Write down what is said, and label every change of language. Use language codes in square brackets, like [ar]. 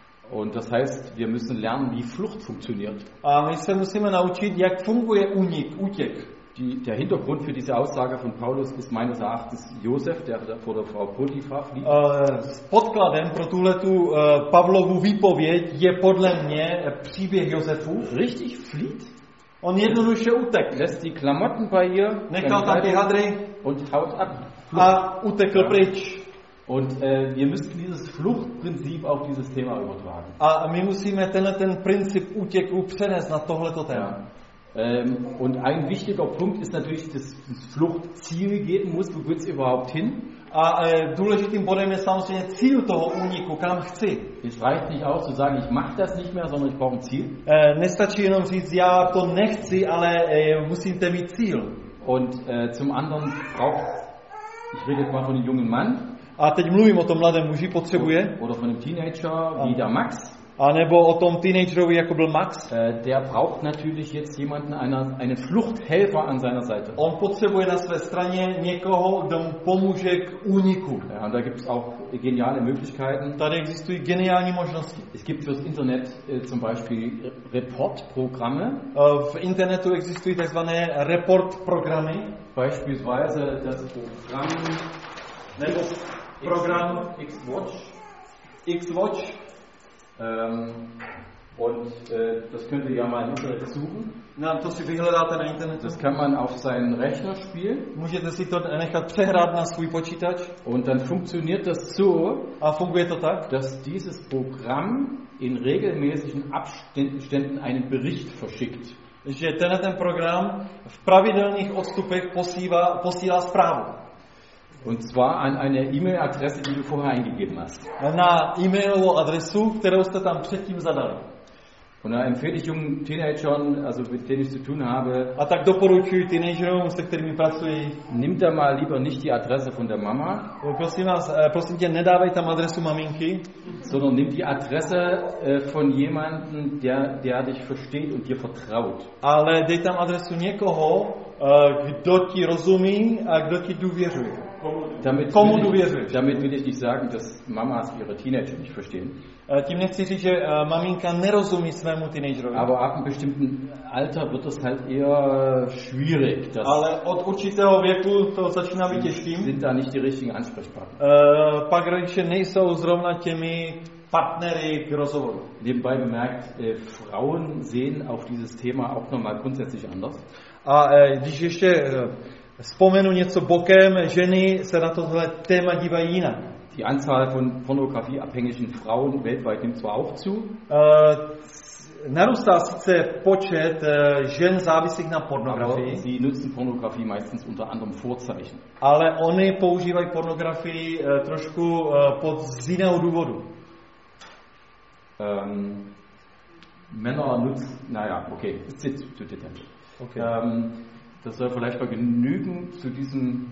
[de] Und das heißt, wir müssen lernen, wie Flucht funktioniert. [cs] My se musíme naučit, jak funguje únik, útěk. [de] Der Hintergrund für diese Aussage von Paulus ist meines Erachtens Josef, der vor der Frau Potifar flieht. [cs] Podkladem pro tuhletu Pavlovu výpověď je podle mě příběh Josefu. [de] Richtig, flieht. [cs] On jednoduše utek. [de] Lässt die Klamotten bei ihr. [cs] Nechal tam ty hadry. [de] Und haut ab. Flucht. [cs] A utekl pryč. [de] Und wir müssen dieses Fluchtprinzip auf dieses Thema übertragen. [cs] A my musíme ten princip útěku přenést na tohleto téma. [de] Und ein wichtiger Punkt ist natürlich, dass das Fluchtziel geben muss, wo geht's überhaupt hin? [cs] A důležitým bodem je samozřejmě cíl toho úniku, kam chci. [de] Es reicht nicht aus zu sagen, ich mach das nicht mehr, sondern ich brauche ein Ziel. [cs] Nestačí jenom říct, já to nechci, ale musíte mít cíl. [de] Und zum anderen braucht, ich rede jetzt mal von einem jungen Mann. [cs] A teď mluvím o tom mladém muži, potřebuje. [de] Oder von einem Teenager, wie der Max. [cs] A nebo o tom teenagerovi, jako byl Max. [de] Der braucht natürlich jetzt jemanden, einen Fluchthelfer an seiner Seite. [cs] On potřebuje na své straně někoho, kdo mu pomůže k úniku. [de] Ja, da gibt's auch geniale Möglichkeiten. [cs] Tady existují geniální možnosti. [de] Es gibt fürs Internet zum Beispiel Report-Programme. [cs] V internetu existují takzvané report-programmy. [de] Beispielsweise das Programm... [cs] Nebo program [de] X-Watch. Das könnt ihr ja mal im Internet suchen. [cs] Na, to si vyhledáte na internetu. [de] Das kann man auf seinen Rechner spielen. [cs] Můžete si to nechat přehrát na svůj počítač. [de] Und dann funktioniert das so, [cs] a funguje to tak, [de] dass dieses Programm in regelmäßigen Abständen einen Bericht verschickt. [cs] Že tenhle ten program v pravidelných odstupech posílá zprávu. [de] Und zwar an eine E-Mail-Adresse, die du vorher eingegeben hast. [cs] Na, E-Mailovou adresu, kterou jste tam předtím zadali. [de] Und da empfehle ich jungen Teenagern, also mit denen ich zu tun habe, [cs] a tak doporučuji teenagerům, se kterými pracuji, [de] nimm da mal lieber nicht die Adresse von der Mama, [cs] prosím vás, prosím tě, nedávej tam adresu maminky, [de] sondern nimm die Adresse von jemanden, der dich versteht und dir vertraut. [cs] Ale dej tam adresu někoho, kdo ti rozumí a kdo ti důvěřuje. Komu důvěřuješ? [de] Damit will ich nicht sagen, dass Mamas ihre Teenager nicht verstehen. [cs] Tím nechci říct, že maminka nerozumí svému teenagerovi. [de] Aber ab einem bestimmten Alter wird das halt eher schwierig. [cs] Ale od určitého věku to začíná být těžkým. [de] Sind da nicht die richtigen Ansprechpartner. [cs] Pak rodiče nejsou zrovna těmi partnery k rozhovoru. [de] Nebenbei bemerkt, Frauen sehen auf dieses Thema auch nochmal grundsätzlich anders. [cs] A když ještě vzpomenu něco bokem, ženy se na tohle téma dívají jinak. [de] Die Anzahl von pornografieabhängigen Frauen weltweit nimmt zwar auch zu. [cs] Narůstá sice počet žen závislých na pornografii. [de] Aber sie nutzen Pornografie meistens unter anderem Vorzeichen. [cs] Ale oni používají pornografii trošku pod z jiného důvodu. [de] Männer nutzen, naja, okay, zu detailliert. Okay. Das soll vielleicht mal genügen zu diesem.